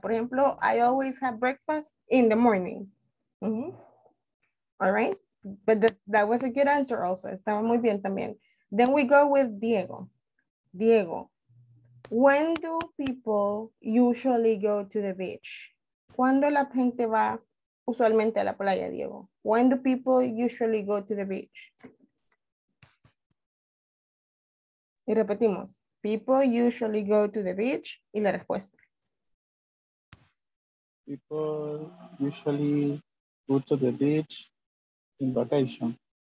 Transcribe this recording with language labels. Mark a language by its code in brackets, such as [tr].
[es] Por ejemplo, [en] I always have breakfast in the morning. Mm-hmm. All right. But that was a good answer also. [es] Estaba muy bien también. [en] Then we go with Diego. Diego, when do people usually go to the beach? [es] ¿Cuándo la gente va usualmente a la playa, Diego? [en] When do people usually go to the beach? [es] Y repetimos. [en] People usually go to the beach. [es] Y la respuesta. [en] People usually go to the beach in vacation.